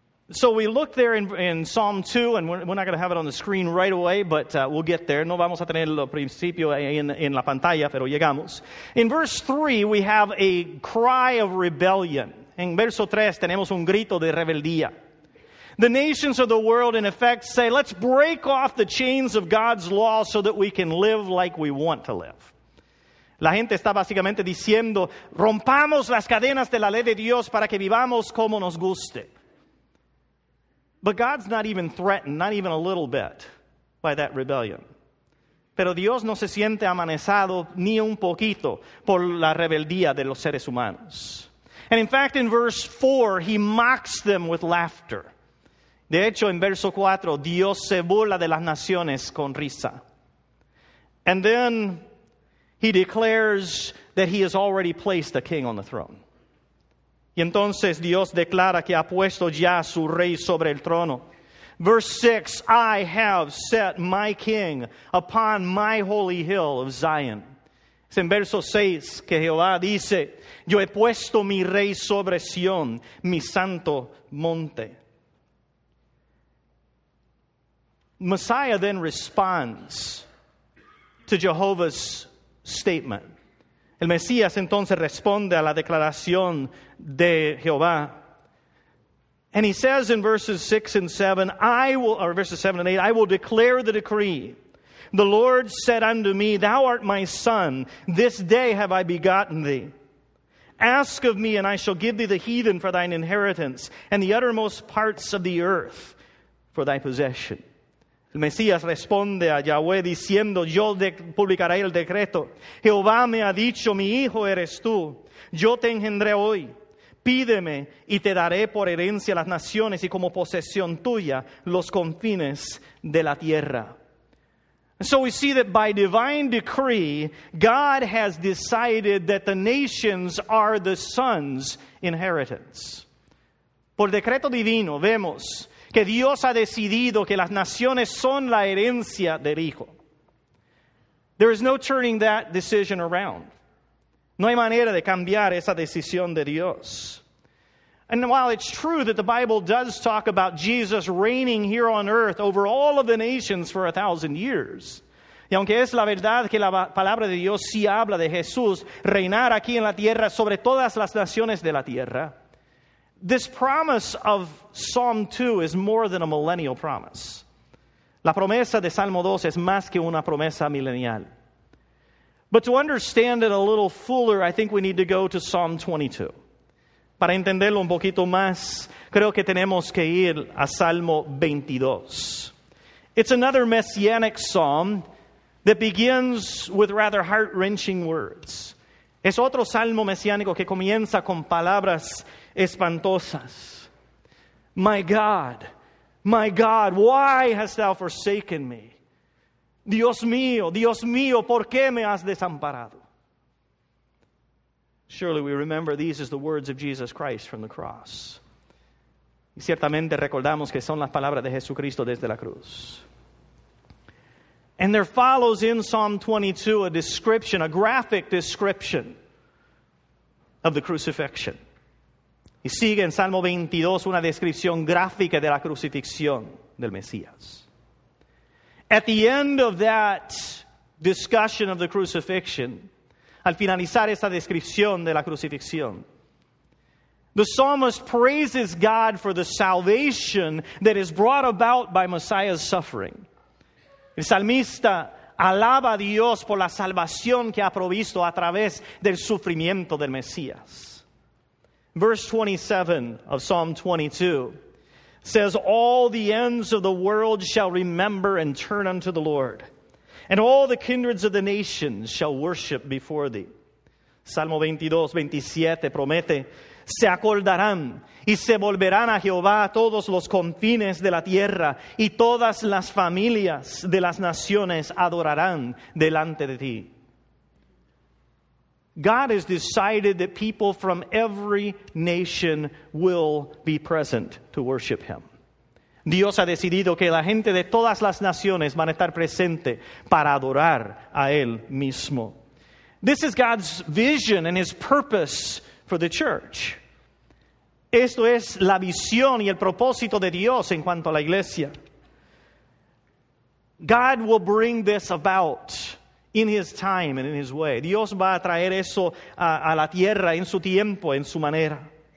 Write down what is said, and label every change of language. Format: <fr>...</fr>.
<en>So we look there in Psalm 2, and we're not going to have it on the screen right away, but we'll get there.</en> <es>No vamos a tener el principio en la pantalla, pero llegamos.</es> <en>In verse 3, we have a cry of rebellion.</en> <es>En verso 3, tenemos un grito de rebeldía.</es> <en>The nations of the world, in effect, say, let's break off the chains of God's law so that we can live like we want to live.</en> <es>La gente está básicamente diciendo, rompamos las cadenas de la ley de Dios para que vivamos como nos guste.</es> <en>But God's not even threatened, not even a little bit, by that rebellion.</en> <es>Pero Dios no se siente amenazado ni un poquito por la rebeldía de los seres humanos.</es> <en>And in fact, in verse 4, he mocks them with laughter.</en> <es>De hecho, en verso 4, Dios se burla de las naciones con risa.</es> <en>And then he declares that he has already placed a king on the throne.</en> <es>Y entonces Dios declara que ha puesto ya su rey sobre el trono.</es> <en>Verse 6, I have set my king upon my holy hill of Zion.</en> <es>Es en verso 6 que Jehová dice, yo he puesto mi rey sobre Sion, mi santo monte.</es> <en>Messiah then responds to Jehovah's statement.</en> <es>El Mesías entonces responde a la declaración de Jehová.</es> <en>And he says in verses 6 and 7, verses 7 and 8, I will declare the decree. The Lord said unto me, thou art my son, this day have I begotten thee. Ask of me, and I shall give thee the heathen for thine inheritance, and the uttermost parts of the earth for thy possession.</en> <es>El Mesías responde a Yahweh diciendo, yo publicaré el decreto. Jehová me ha dicho, mi hijo eres tú. Yo te engendré hoy. Pídeme y te daré por herencia las naciones y como posesión tuya los confines de la tierra.</es> <en>So we see that by divine decree, God has decided that the nations are the sons' inheritance.</en> <es>Por decreto divino vemos que Dios ha decidido que las naciones son la herencia del Hijo.</es> <en>There is no turning that decision around.</en> <es>No hay manera de cambiar esa decisión de Dios.</es> <en>And while it's true that the Bible does talk about Jesus reigning here on earth over all of the nations for 1,000 years,</en> <es>y aunque es la verdad que la palabra de Dios sí habla de Jesús reinar aquí en la tierra sobre todas las naciones de la tierra,</es> <en>this promise of Psalm 2 is more than a millennial promise.</en> <es>La promesa de Salmo 2 es más que una promesa milenial.</es> <en>But to understand it a little fuller, I think we need to go to Psalm 22.</en> <es>Para entenderlo un poquito más, creo que tenemos que ir a Salmo 22.</es> <en>It's another messianic psalm that begins with rather heart-wrenching words.</en> <es>Es otro salmo mesiánico que comienza con palabras espantosas.</es> <en>My God, why hast thou forsaken me?</en> <es>Dios mío, ¿por qué me has desamparado?</es> <en>Surely we remember these as the words of Jesus Christ from the cross.</en> <es>Y ciertamente recordamos que son las palabras de Jesucristo desde la cruz.</es> <en>And there follows in Psalm 22 a description, a graphic description of the crucifixion.</en> <es>Y sigue en Salmo 22 una descripción gráfica de la crucifixión del Mesías.</es> <en>At the end of that discussion of the crucifixion,</en> <es>al finalizar esta descripción de la crucifixión,</es> <en>The psalmist praises God for the salvation that is brought about by Messiah's suffering.</en> <es>El salmista alaba a Dios por la salvación que ha provisto a través del sufrimiento del Mesías.</es> <en>Verse 27 of Psalm 22 says, "All the ends of the world shall remember and turn unto the Lord, and all the kindreds of the nations shall worship before thee."</en> <es>Salmo 22:27 promete, "Se acordarán y se volverán a Jehová todos los confines de la tierra, y todas las familias de las naciones adorarán delante de ti."</es> <en>God has decided that people from every nation will be present to worship him.</en> <es>Dios ha decidido que la gente de todas las naciones van a estar presente para adorar a él mismo.</es> <en>This is God's vision and his purpose for the church.</en> <es>Esto es la visión y el propósito de Dios en cuanto a la iglesia.</es> <en>God will bring this about in his time and in his way.</en> <es>Dios va a traer eso a la tierra en su tiempo, en su manera.</es>